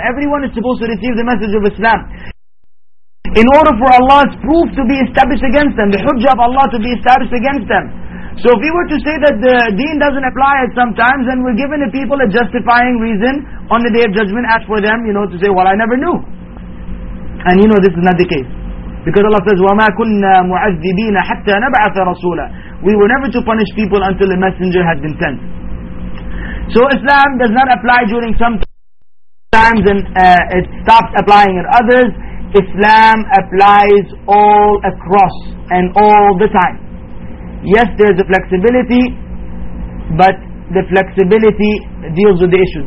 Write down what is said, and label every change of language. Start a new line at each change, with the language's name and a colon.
English: Everyone is supposed to receive the message of Islam. In order for Allah's proof to be established against them, the hujjah of Allah to be established against them. So if we were to say that the deen doesn't apply at some times, then we're giving the people a justifying reason on the Day of Judgment, as for them, you know, to say, well, I never knew. And you know, this is not the case. Because Allah says,
Arabic: وَمَا كُنَّا مُعَذِّبِينَ حَتَّى نَبْعَثَ رَسُولًا.
English: We were never to punish people until the messenger had been sent. So Islam does not apply during some times and it stops applying at others. Islam applies all across and all the time. Yes, there's a flexibility, but the flexibility deals with the issue.